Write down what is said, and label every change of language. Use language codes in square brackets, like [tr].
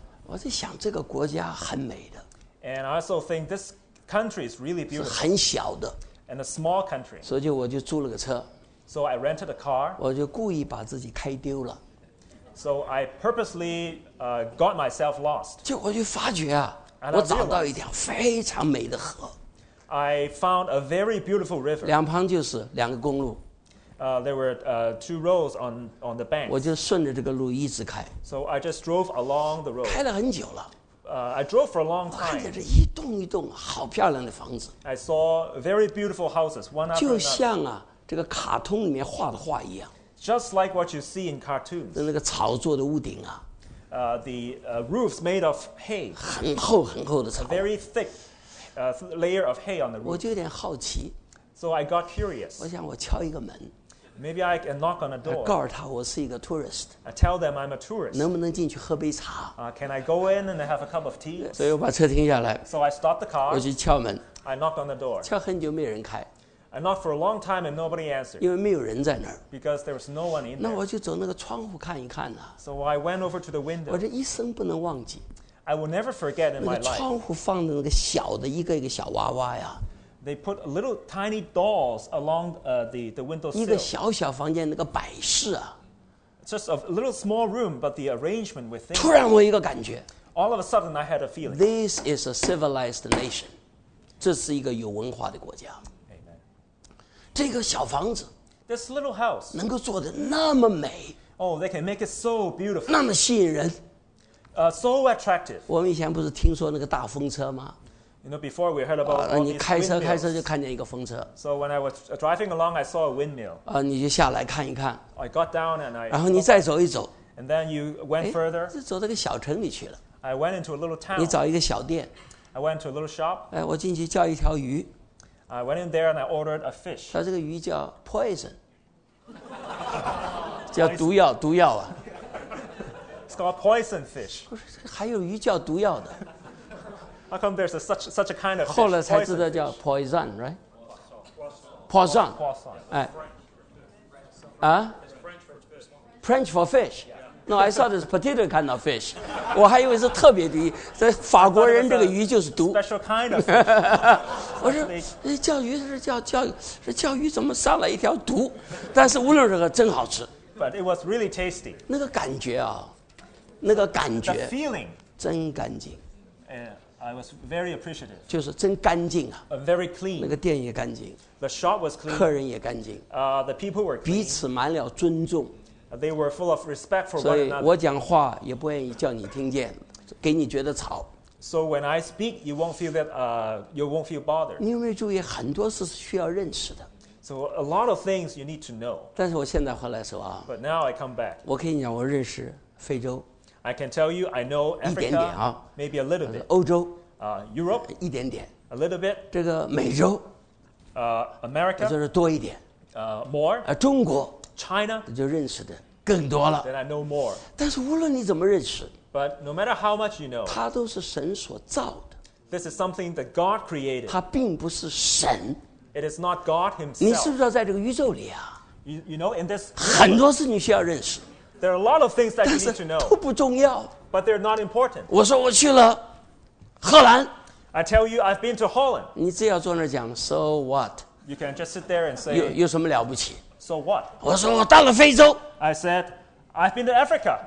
[zh] 我在想这个国家很美的。 [en] And I also think this country is really beautiful. [zh] 是很小的。 [en] And a small country. [zh] 所以我就租了个车。 [en] So I rented a car. [zh] 我就故意把自己开丢了。 [en] So I purposely got myself lost. [zh] 就我就发觉啊，我找到一条非常美的河。 [en] I found a very beautiful river. [zh] 两旁就是两个公路。 [en] There were two roads on the bank. [zh] 我就顺着这个路一直开。 [en] So I just drove along the road. [zh] 开了很久了。 [en] I drove for a long time. [zh] 看见这一栋一栋好漂亮的房子。 [en] I saw very beautiful houses, one after another. [zh] 就像啊，这个卡通里面画的画一样。 [en] Just like what you see in cartoons. [zh] 那个草做的屋顶啊。 [en] Roofs made of hay. [zh] 很厚很厚的草。 [en] A very thick, layer of hay on the roof. [zh] 我就有点好奇。 [en] So I got curious. [zh] 我想我敲一个门。 [en] Maybe I can knock on a door. [zh] 告诉他我是一个 tourist. [en] I tell them I'm a tourist. [zh] 能不能进去喝杯茶？ [en] Can I go in and have a cup of tea? [zh] 所以我把车停下来。 [en] So I stopped the car. [zh] 我去敲门。 [en] I knocked on the door. [zh] 敲很久没人开。 [en] I knocked for a long time and nobody answered. [zh] 因为没有人在那儿。 [en] Because there was no one in there. [zh] 那我就走那个窗户看一看呢。 [en] So I went over to the window. [zh] 我这一生不能忘记。 [en] I will never forget in my life. [zh] 那个窗户放的那个小的一个一个小娃娃呀。 [en] They put little tiny dolls along the windowsill. [zh] 一个小小房间那个摆饰啊。 [en] Just a little small room, but the arrangement within. [zh] 突然我一个感觉。 [en] All of a sudden, I had a feeling. This is a civilized nation. [zh] 这是一个有文化的国家。 [en] Amen. [zh] 这个小房子。 [en] This little house. [zh] 能够做得那么美。 [en] Oh, they can make it so beautiful. [zh] 那么吸引人。 [en] So attractive. [zh] 我们以前不是听说那个大风车吗？ [en] You know, before we heard about all these windmills. [zh] 你开车开车就看见一个风车。 [en] So when I was driving along, I saw a windmill. [zh] 你就下来看一看。 [en] I got down and I. [zh] 然后你再走一走。 [en] And then you went further. [zh] 就走到个小城里去了。 [en] I went into a little town. [zh] 你找一个小店。 [en] I went to a little shop. [zh] 我进去叫一条鱼。 [en] I went in there and I ordered a fish. [zh] 他这个鱼叫 poison. 叫毒药，毒药啊。 [en] It's called poison fish. [zh] 还有鱼叫毒药的。 [en] How come there's such a kind of fish? [zh] 后来才知道叫 poison, right? [fr] Poisson. [en] French for fish. French for fish. No, I saw this particular kind of fish. [zh] 我还以为是特别的鱼，这法国人这个鱼就是毒。 [en] Special kind of fish. [zh] 我说，那叫鱼是叫鱼怎么上了一条毒？但是无论如何，真好吃。 [en] But it was really tasty. [zh] 那个感觉啊，那个感觉。 [en] The feeling. [zh] 真干净。 [en] I was very appreciative. [zh] 就是真干净啊。 [en] Very clean. [zh] 那个店也干净。 [en] The shop was clean. [zh] 客人也干净。 [en] The people were clean. [zh] 彼此满了尊重。 [en] They were full of respect for one [zh] 所以我讲话也不愿意叫你听见，给你觉得吵。 [en] So when I speak, you won't feel that, you won't feel bothered. [zh] 你有没有注意很多事是需要认识的？ [en] So a lot of things you need to know. [zh] 但是我现在回来说啊。 [en] But now I come back. [zh] 我可以讲我认识非洲。 [en] I can tell you I know Africa. [zh] 一点点啊。 [en] Maybe a little bit. [zh] 欧洲。 [en] Europe. [zh] 一点点。 [en] A little bit. [zh] 这个美洲。 [en] America. [zh] 就是多一点。 [en] More. [zh] 中国。 [en] China. [zh] 就认识的。更多了。 [en] Then I know more. [zh] 但是无论你怎么认识， [en] But no matter how much you know, [zh] 它都是神所造的。 [en] This is something that God created. [zh] 它并不是神。 [en] It is not God himself. [zh] 你是不是在这个宇宙里啊？ [en] You know, in this, [zh] 很多事你需要认识。 [en] There are a lot of things that you need to know. [zh] 都不重要。 [en] But they're not important. [zh] 我说我去了荷兰。 [en] I tell you, I've been to Holland. [zh] 你只要坐那儿讲 ， [en] So what? You can just sit there and say. [zh] 有什么了不起？ [en] So what? [zh] 我说我到了非洲。 [en] I said, I've been to Africa.